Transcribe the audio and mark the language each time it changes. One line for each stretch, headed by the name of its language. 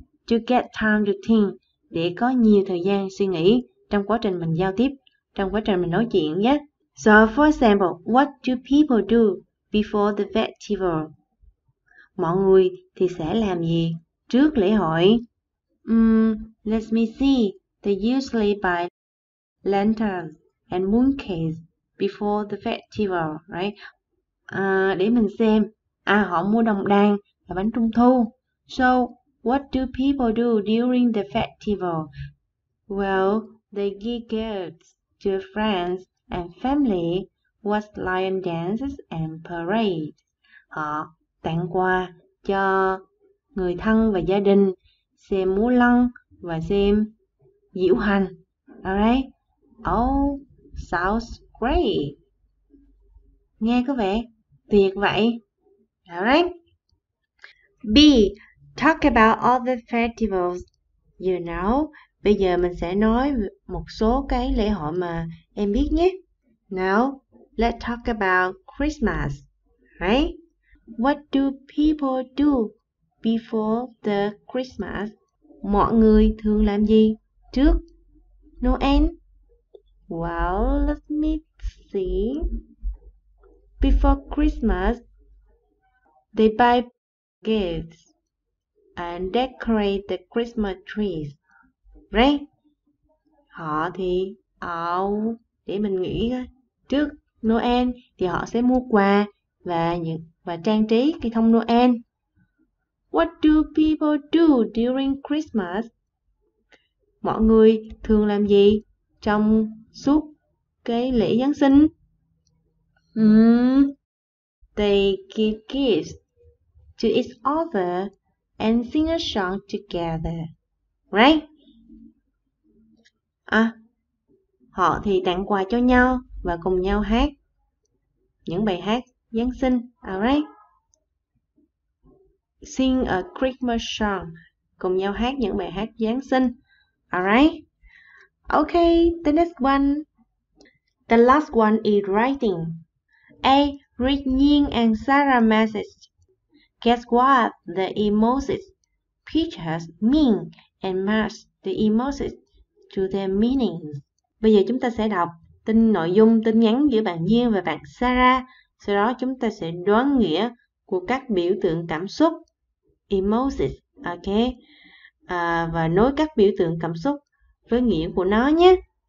English: To get time to think,
Vietnamese: để có nhiều thời gian suy nghĩ trong quá trình mình giao tiếp, trong quá trình mình nói chuyện nhé.
English: So for example, what do people do before the festival?
Vietnamese: Mọi người thì sẽ làm gì trước lễ hội?
English: Let me see, they usually buy lanterns and mooncakes before the festival, right?
Vietnamese: Để mình xem. À, họ mua đồng đàn và bánh trung thu.
English: So, what do people do during the festival? Well, they give gifts to friends and family, watch lion dances and parades.
Vietnamese: Họ tặng quà cho người thân và gia đình, xem múa lân và xem diễu hành.
English: Alright? Oh, sounds great.
Vietnamese: Nghe có vẻ tuyệt vậy.
English: Alright? B. Talk about all the festivals you know.
Vietnamese: Bây giờ mình sẽ nói một số cái lễ hội mà em biết nhé.
English: Now, let's talk about Christmas. Right? What do people do before the Christmas?
Vietnamese: Mọi người thường làm gì trước Noel?
English: Well, let me see. Before Christmas, they buy gifts and decorate the Christmas trees. Right?
Vietnamese: Họ thì để mình nghĩ trước Noel thì họ sẽ mua quà và trang trí cây thông Noel.
English: What do people do during Christmas?
Vietnamese: Mọi người thường làm gì trong suốt cái lễ Giáng sinh?
English: They give gifts to each other and sing a song together, right?
Vietnamese: À, họ thì tặng quà cho nhau và cùng nhau hát những bài hát Giáng sinh,
English: alright? Sing a Christmas song,
Vietnamese: cùng nhau hát những bài hát Giáng sinh,
English: alright? Okay, the next one. The last one is writing. A. Read Ying and Sarah's message. Guess what the emojis, pictures mean and match the emojis to their meanings.
Vietnamese: Bây giờ chúng ta sẽ đọc tin nội dung tin nhắn giữa bạn Nhiên và bạn Sarah. Sau đó chúng ta sẽ đoán nghĩa của các biểu tượng cảm xúc, emojis,
English: ok?
Vietnamese: Và nối các biểu tượng cảm xúc với nghĩa của nó nhé.